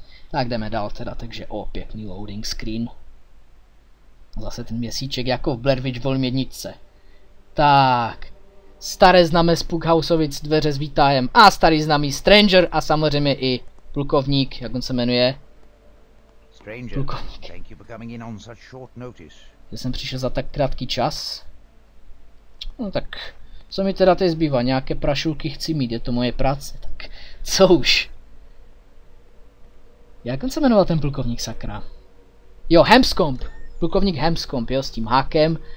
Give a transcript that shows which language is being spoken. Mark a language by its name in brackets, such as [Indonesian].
[Czech] Tak jdeme dál teda, takže o, pěkný loading screen. Zase ten měsíček jako v Blair Witch Volume 1. Tak. Staré známé Spookhausovic, dveře s výtahem a starý známý Stranger a samozřejmě i plukovník, jak on se jmenuje. [English] Stranger, thank you for coming in on such short notice. [Czech] Já jsem přišel za tak krátký čas. No tak, co mi teda teď zbývá? Nějaké prašulky chci mít, je to moje práce, tak co už? Jak on se jmenoval ten plukovník, sakra? Jo, Hemscomb, plukovník Hemscomb, jo, s tím hákem.